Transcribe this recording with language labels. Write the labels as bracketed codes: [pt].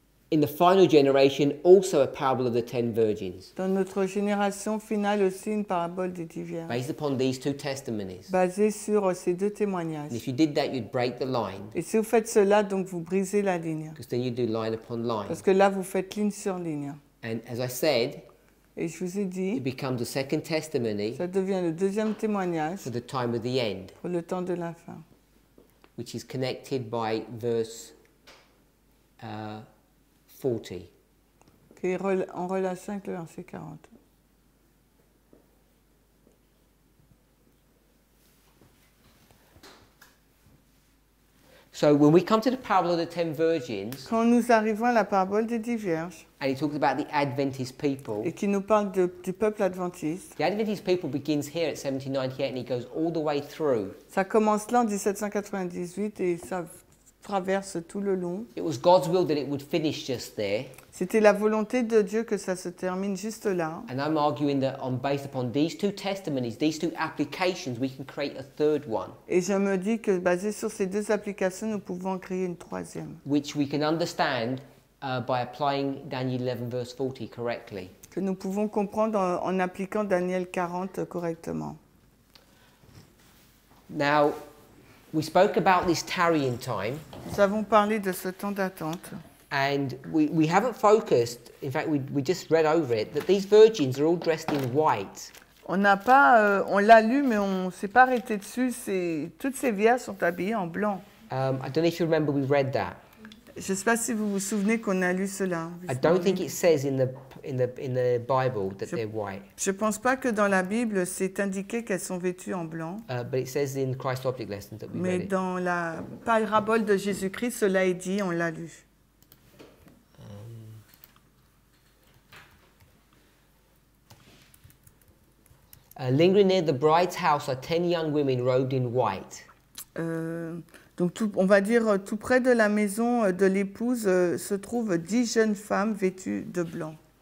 [en] In the final generation, also a parable of the ten virgins. [fr] Dans notre génération finale aussi, une parabole des 10 vierges. [en] Based upon these two testimonies. [fr] Basé sur ces deux témoignages. [en] And if you did that, you'd break the line. [fr] Et si vous faites cela, donc vous brisez la ligne. [en] Because then you do line upon line. [fr] Parce que là, vous faites ligne sur ligne. [en] And as I said, [fr] et je vous ai dit, [en] it becomes a second testimony. [fr] Ça devient le deuxième témoignage. [en] For the time of the end. [fr] Pour le temps de la fin. [en] Which is connected by verse 40. [fr] Qui est en relation avec le verset 40. [en] So when we come to the parable of the ten virgins, [fr] quand nous arrivons à la parabole des 10 vierges, [en] and it talks about the Adventist people, [fr] et qui nous parle du peuple adventiste, [en] the Adventist people begins here at 1798 and it goes all the way through. [fr] Ça commence là en 1798 et ça traverse tout le long. [en] It was God's will that it would finish just there. [fr] C'était la volonté de Dieu que ça se termine juste là. [en] And I'm arguing that on based upon these two testimonies, these two applications, we can create a third one. [fr] Et je me dis que basé sur ces deux applications, nous pouvons créer une troisième. [en] Which we can understand by applying Daniel 11 verse 40 correctly. [fr] Que nous pouvons comprendre en appliquant Daniel 40 correctement. [en] Now, we spoke about this tarrying time. [fr] Nous avons parlé de ce temps d'attente. [en] And we haven't focused, in fact we just read over it, that these virgins are all dressed in white. [fr] On n'a pas, on l'a lu mais on ne s'est pas arrêté dessus, toutes ces vierges sont habillées en blanc. [en] I don't know if you remember we read that. [fr] Je ne sais pas si vous vous souvenez qu'on a lu cela. [en] I don't think it says in the Bible that they're white. [fr] Je pense pas que dans la Bible c'est indiqué qu'elles sont vêtues en blanc. [en] But it says in Christ's object lesson that we read. [fr] Mais dans la parabole de Jésus-Christ, cela est dit, on l'a lu. [en] Um, Lingering near the bride's house are 10 young women robed in white. [fr] Donc tout, on va dire tout près de la maison de l'épouse se trouvent 10 jeunes femmes vêtues de blanc.